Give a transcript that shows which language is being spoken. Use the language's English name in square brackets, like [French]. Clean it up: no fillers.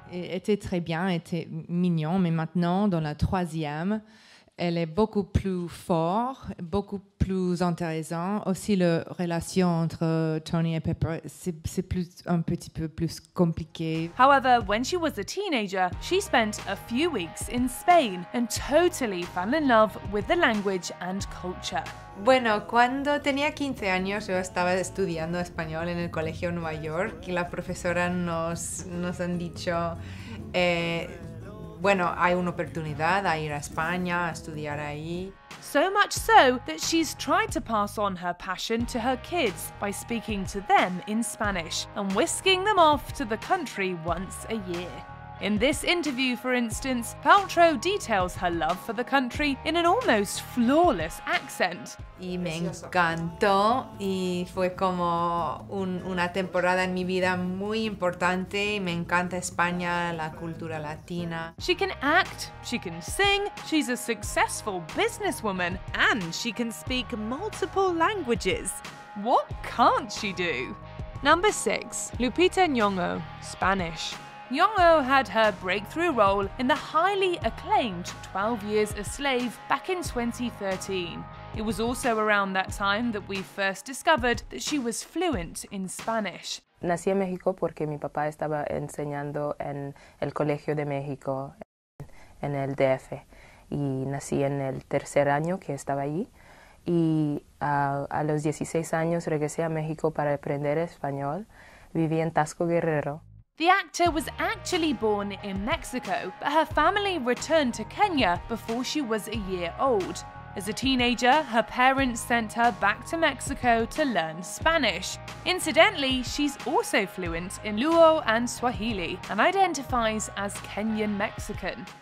[French] Était très bien, était mignon, mais maintenant dans la troisième, elle est beaucoup plus fort, beaucoup plus intéressant. Aussi, la relation entre Tony et Pepper, c'est plus un petit peu plus compliqué. [English] However, when she was a teenager, she spent a few weeks in Spain and totally fell in love with the language and culture. [Spanish] Bueno, cuando tenía 15 años yo estaba estudiando español en el colegio en Nueva York y la profesora nos han dicho, bueno, hay una oportunidad a ir a España a estudiar ahí. [English] So much so that she's tried to pass on her passion to her kids by speaking to them in Spanish and whisking them off to the country once a year. In this interview, for instance, Paltrow details her love for the country in an almost flawless accent. [Spanish] Y me encantó y fue como una temporada en mi vida muy importante. Me encanta España, la cultura latina. [English] She can act, she can sing, she's a successful businesswoman, and she can speak multiple languages. What can't she do? Number 6, Lupita Nyong'o, Spanish. Nyong'o had her breakthrough role in the highly acclaimed 12 Years a Slave back in 2013. It was also around that time that we first discovered that she was fluent in Spanish. [Spanish] Nací en México porque mi papá estaba enseñando en el Colegio de México, en el DF. Y nací en el tercer año que estaba allí. Y a los 16 años regresé a México para aprender español. Viví en Taxco, Guerrero. [English] The actor was actually born in Mexico, but her family returned to Kenya before she was a year old. As a teenager, her parents sent her back to Mexico to learn Spanish. Incidentally, she's also fluent in Luo and Swahili and identifies as Kenyan-Mexican.